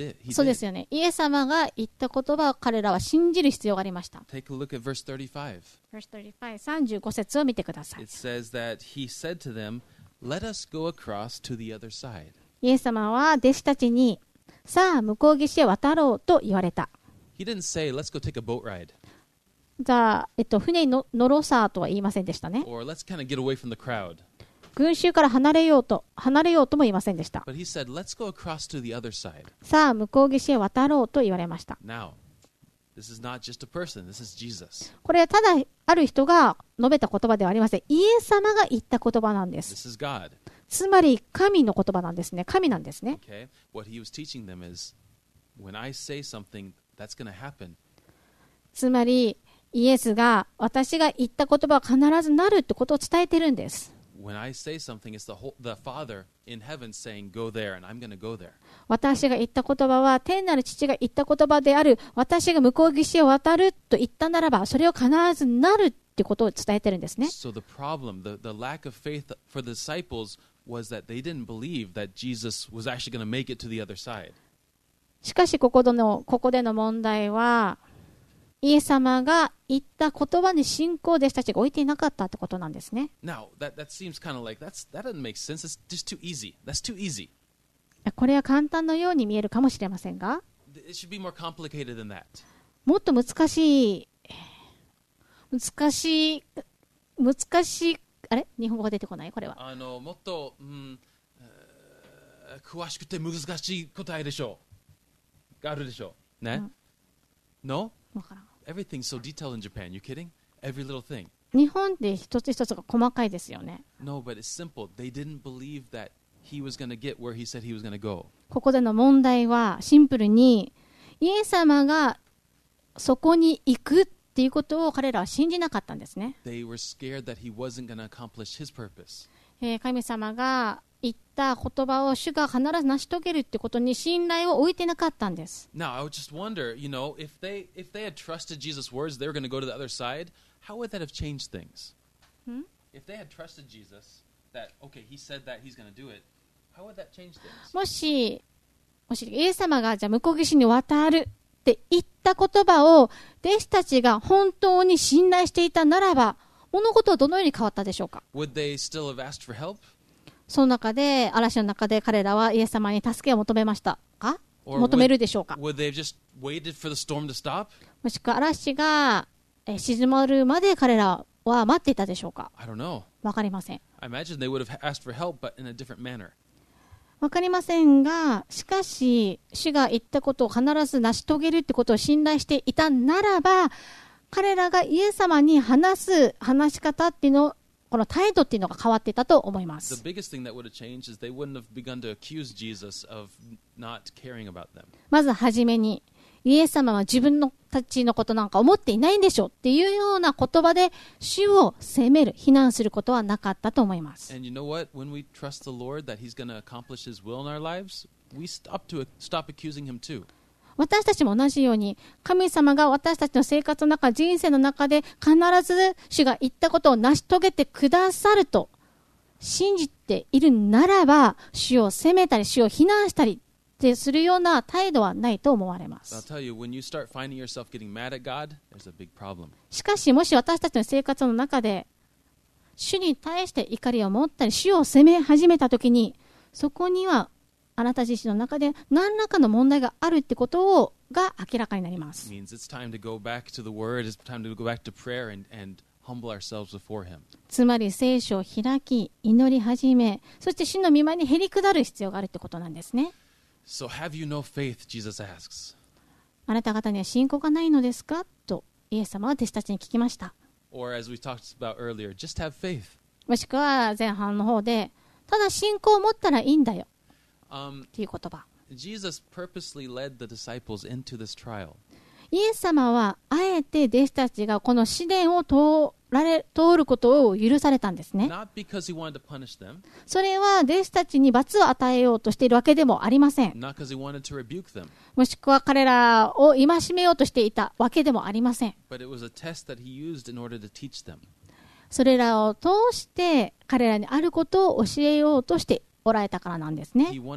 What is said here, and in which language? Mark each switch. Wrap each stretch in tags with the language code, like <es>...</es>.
<ja>そうですよね。イエス様が言った言葉を彼らは信じる必要がありました。</ja> <en>Take a look at verse 35.</en> <ja>Verse 35, 35節を見てください。</ja> <en>It says that he said to them, "Let us go across to the other side."</en> <ja>イエス様は弟子たちに、さあ向こう岸へ渡ろうと言われた。</ja> <en>He didn't say, "Let's go take a boat ride."</en> <ja>じゃあ船に乗ろうさとは言いませんでしたね。</ja> <en>Or let's kind of get away from the crowd.</en> <ja>群衆から離れようとも言いませんでした。</ja> <en>But he said, Let's go across to the other side.</en> <ja>さあ向こう岸へ渡ろうと言われました。</ja> <en>Now, this is not just a person, this is Jesus.</en> <ja>これはただある人が述べた言葉ではありません。イエス様が言った言葉なんです。</ja> <en>This is God.</en> <ja>つまり神の言葉なんですね。神なんですね。</ja> <en>Okay. What he was teaching them is, when I say something, that's going to happen.</en> <ja>つまりイエスが私が言った言葉は必ずなるってことを伝えてるんです。</ja> <en>When I say something, it's the Father in heaven saying, "Go there," and I'm going to go there.</en> <ja>私が言った言葉は天なる父が言った言葉である。私が向こう岸へ渡ると言ったならば、それを必ずなるってことを伝えてるんですね。</ja> <en>So the problem, the lack of faith for the disciples was that they didn't believe that Jesus was actually going to make it to the other side.</en> <ja>しかしここでの問題はイエス様が言った言葉に信仰弟子たちが置いていなかったってことなんですね。</ja> <en>Now, that seems kind of like, that doesn't make sense. It's just too easy. That's too easy.</en> <ja>これは簡単のように見えるかもしれませんが、</ja> <en>It should be more complicated than that.</en> <ja>もっと難しい、あれ？日本語が出てこない？これは。もっと、詳しくて難しい答えでしょう。があるでしょう。ね？うん、</ja> <en>No? Everything's so detailed in Japan. You kidding? Every little thing.</en> <ja>日本で一つ一つが細かいですよね。</ja> <en>No, but it's simple. They didn't believe that he was going to get where he said he was going to go.</en> <ja>ここでの問題はシンプルに、イエス様がそこに行くっていうことを彼らは信じなかったんですね。</ja> <en>They were scared that he wasn't going to accomplish his purpose.</en> <ja>神様が言った言葉を主が必ず成し遂げるってことに信頼を置いてなかったんです。</ja> <en>Now, I would just wonder, you know, if they had trusted Jesus' words, they were going to go to the other side, how would that have changed things? If they had trusted Jesus, that, okay, he said that he's going to do it, how would that change things?</en> <ja>もしイエス様がじゃあ向こう岸に渡るって言った言葉を弟子たちが本当に信頼していたならば、物事はどのように変わったでしょうか。</ja> <en>Would they still have asked for help?</en> <ja>その中で、嵐の中で彼らはイエス様に助けを求めましたか？求めるでしょうか？</ja> <en>Would they have just waited for the storm to stop?</en> <ja>もしくは嵐が静まるまで彼らは待っていたでしょうか？</ja> <en>I don't know.</en> <ja>わかりません。</ja> <en>I imagine they would have asked for help, but in a different manner.</en> <ja>わかりませんが、しかし主が言ったことを必ず成し遂げるってことを信頼していたならば、彼らがイエス様に話す話し方っていうのをこの態度っていうのが変わっていたと思います。</ja> <en>The biggest thing that would have changed is they wouldn't have begun to accuse Jesus of not caring about them.</en> <ja>まずはじめに、イエス様は自分たちのことなんか思っていないんでしょうっていうような言葉で主を責める、非難することはなかったと思います。</ja> <en>And you know what? When we trust the Lord that he's going to accomplish his will in our lives, we stop accusing him too.</en> <ja>私たちも同じように、神様が私たちの生活の中、人生の中で必ず主が言ったことを成し遂げてくださると信じているならば、主を責めたり主を非難したりってするような態度はないと思われます。</ja> <en>I'll tell you, when you start finding yourself getting mad at God, there's a big problem.</en> <ja>しかし、もし私たちの生活の中で主に対して怒りを持ったり主を責め始めたときに、そこにはあなた自身の中で何らかの問題があるってことをが明らかになります。</ja> <en>means it's time to go back to the word, it's time to go back to prayer and humble ourselves before him.</en> <ja>つまり聖書を開き祈り始め、そして主の御前にへり下る必要があるってことなんですね。</ja> <en>So have you no faith? Jesus asks.</en> <ja>あなた方には信仰がないのですか？とイエス様は弟子たちに聞きました。</ja> <en>Or as we talked about earlier, just have faith.</en> <ja>もしくは前半の方でただ信仰を持ったらいいんだよという言葉。</ja> <en>Jesus purposely led the disciples into this trial.</en> <ja>イエス様はあえて弟子たちがこの試練を通ることを許されたんですね。</ja> <en>Not because he wanted to punish them.</en> <ja>それは弟子たちに罰を与えようとしているわけでもありません。</ja> <en>Not because he wanted to rebuke them.</en> <ja>もしくは彼らを戒めようとしていたわけでもありません。</ja> <en>But it was a test that he used in order to teach them.</en> <ja>それらを通して彼らにあることを教えようとしておられたからなんですね。</ja>